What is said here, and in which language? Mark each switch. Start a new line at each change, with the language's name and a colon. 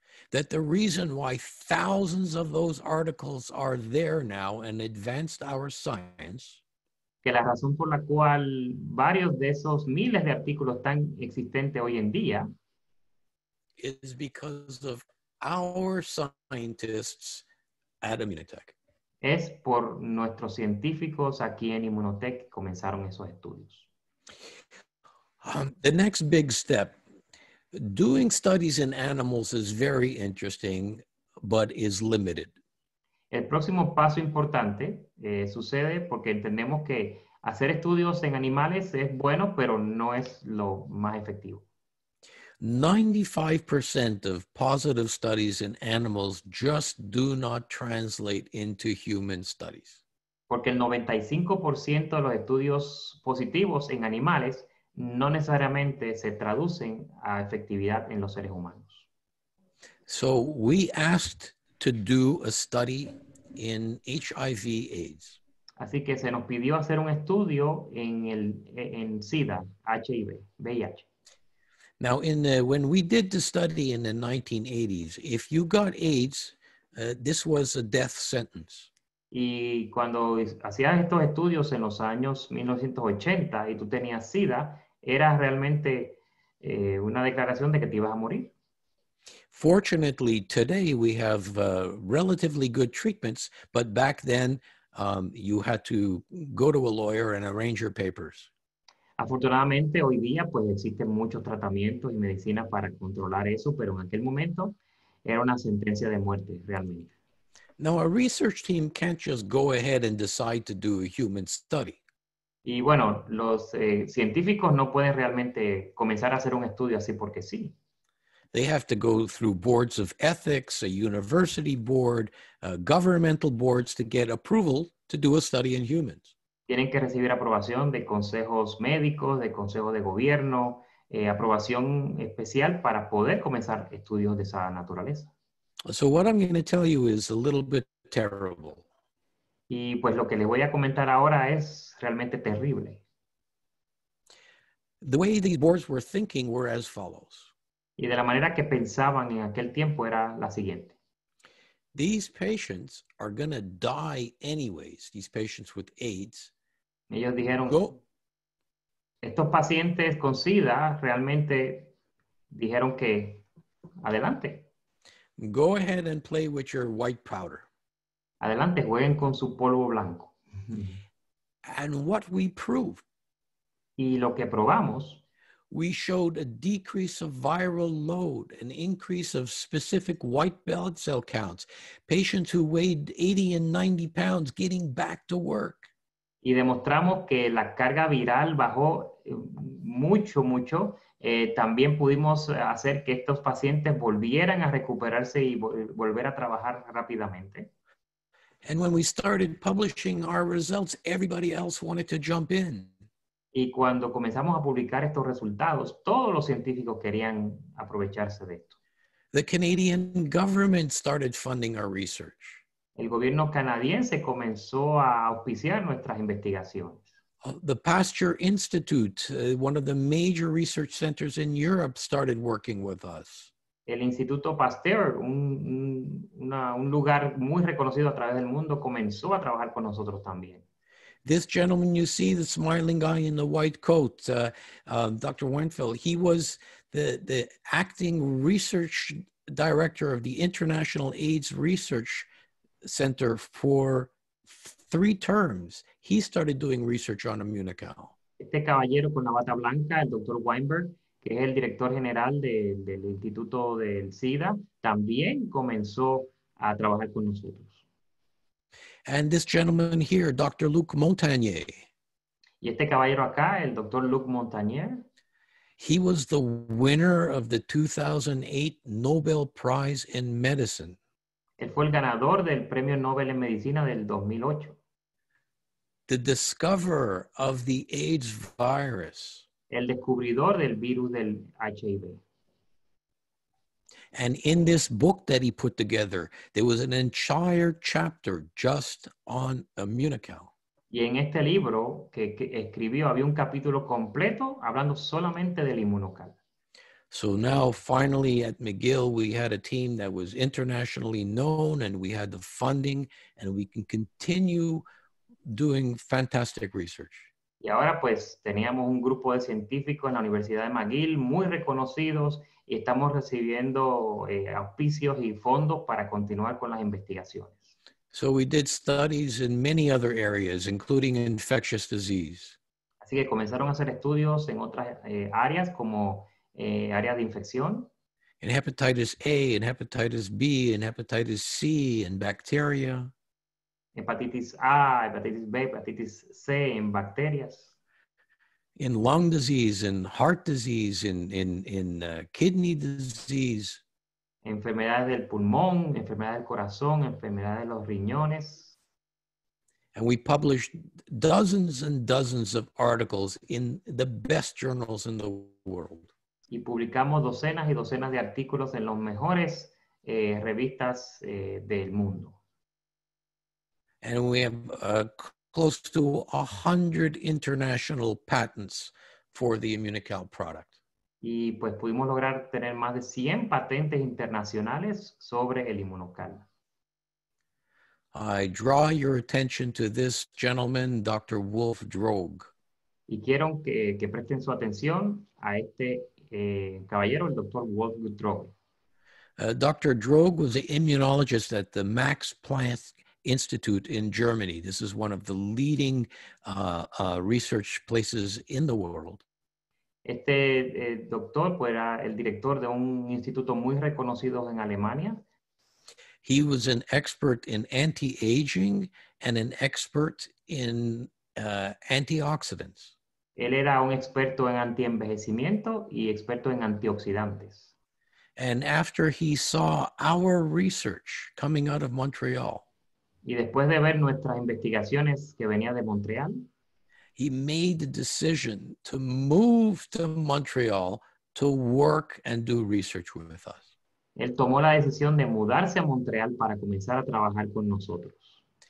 English: that the reason why thousands of those articles are there now and advanced our science,
Spanish: que la razón por la cual varios de esos miles de artículos están existentes hoy en día,
English: is because of our scientists at Immunotech.
Spanish: Es por nuestros científicos aquí en Immunotech que comenzaron esos estudios.
English: The next big step, doing studies in animals is very interesting, but is limited.
Spanish: El próximo paso importante sucede porque entendemos que hacer estudios en animales es bueno, pero no es lo más efectivo.
English: 95% of positive studies in animals just do not translate into human studies.
Spanish: Porque el 95% de los estudios positivos en animales no necesariamente se traducen a efectividad en los seres humanos.
English: So we asked to do a study in HIV AIDS.
Spanish: Así que se nos pidió hacer un estudio en SIDA, HIV, VIH.
English: Now, when we did the study in the 1980s, if you got AIDS, this was a death sentence.
Spanish: Y cuando hacían estos estudios en los años 1980 y tú tenías SIDA, era realmente una declaración de que te ibas a morir.
English: Fortunately, today we have relatively good treatments, but back then you had to go to a lawyer and arrange your papers.
Spanish: Afortunadamente, hoy día, pues existen muchos tratamientos y medicinas para controlar eso, pero en aquel momento era una sentencia de muerte, realmente.
English: Now, a research team can't just go ahead and decide to do a human study.
Spanish: Y bueno, los científicos no pueden realmente comenzar a hacer un estudio así porque sí.
English: They have to go through boards of ethics, a university board, governmental boards to get approval to do a study in humans.
Spanish: Tienen que recibir aprobación de consejos médicos, de consejos de gobierno, aprobación especial para poder comenzar estudios de esa naturaleza.
English: So what I'm going to tell you is a little bit terrible.
Spanish: Y pues lo que les voy a comentar ahora es realmente terrible.
English: The way these boards were thinking were as follows.
Spanish: Y de la manera que pensaban en aquel tiempo era la siguiente.
English: These patients are going to die anyways, these patients with AIDS.
Spanish: Ellos dijeron, estos pacientes con SIDA realmente dijeron que adelante.
English: Go ahead and play with your white powder.
Spanish: Adelante, jueguen con su polvo blanco.
English: And what we proved.
Spanish: Y lo que probamos.
English: We showed a decrease of viral load, an increase of specific white blood cell counts, patients who weighed 80 and 90 pounds getting back to work.
Spanish: Y demostramos que la carga viral bajó mucho, mucho. También pudimos hacer que estos pacientes volvieran a recuperarse y volver a trabajar rápidamente.
English: And when we started publishing our results, everybody else wanted to jump in.
Spanish: Y cuando comenzamos a publicar estos resultados, todos los científicos querían aprovecharse de esto.
English: The Canadian government started funding our research.
Spanish: El gobierno canadiense comenzó a auspiciar nuestras investigaciones.
English: The Pasteur Institute, one of the major research centers in Europe, started working with us.
Spanish: El Instituto Pasteur, un lugar muy reconocido a través del mundo, comenzó a trabajar con nosotros también.
English: This gentleman you see, the smiling guy in the white coat, Dr. Weinfeld, he was the acting research director of the International AIDS Research Center for 3 terms. He started doing research on Immunocal.
Spanish: Este caballero con la bata blanca, el Dr. Weinberg, que es el director general del Instituto del SIDA, también comenzó a trabajar con nosotros.
English: And this gentleman here, Dr. Luc Montagnier.
Spanish: Y este caballero acá, el Dr. Luc Montagnier.
English: He was the winner of the 2008 Nobel Prize in Medicine.
Spanish: Él fue el ganador del Premio Nobel en Medicina del 2008.
English: The discoverer of the AIDS virus.
Spanish: El descubridor del virus del HIV.
English: And in this book that he put together, there was an entire chapter just on Immunocal.
Spanish: Y en este libro que escribió, había un capítulo completo hablando solamente del Immunocal.
English: So now, finally, at McGill, we had a team that was internationally known, and we had the funding, and we can continue doing fantastic research.
Spanish: Y ahora pues teníamos un grupo de científicos en la Universidad de McGill muy reconocidos y estamos recibiendo auspicios y fondos para continuar con las investigaciones.
English: So we did studies in many other areas, including infectious disease.
Spanish: Así que comenzaron a hacer estudios en otras áreas como áreas de infección.
English: And hepatitis A, and hepatitis B, and hepatitis C, and bacteria.
Spanish: Hepatitis A, hepatitis B, hepatitis C, en bacterias.
English: In lung disease, in heart disease, in kidney disease.
Spanish: Enfermedades del pulmón, enfermedades del corazón, enfermedades de los riñones.
English: And we published dozens and dozens of articles in the best journals in the world.
Spanish: Y publicamos docenas y docenas de artículos en los mejores revistas del mundo.
English: And we have close to 100 international patents for the Immunocal product.
Spanish: Y pues pudimos lograr tener más de 100 patentes internacionales sobre el Inmunocal.
English: I draw your attention to this gentleman, Dr. Wolf Drog.
Spanish: Y quiero que presten su atención a este caballero, el Dr. Wolf Drog.
English: Dr. Drog was an immunologist at the Max Planck Institute in Germany. This is one of the leading research places in the world.
Spanish: Este doctor pues, era el director de un instituto muy reconocido en Alemania.
English: He was an expert in anti-aging and an expert in antioxidants.
Spanish: Él era un experto en antienvejecimiento y experto en antioxidantes.
English: And after he saw our research coming out of Montreal,
Spanish: y después de ver nuestras investigaciones que venía de Montreal,
English: he made the decision to move to Montreal to work and do research with us.
Spanish: Él tomó la decisión de mudarse a Montreal para comenzar a trabajar con nosotros.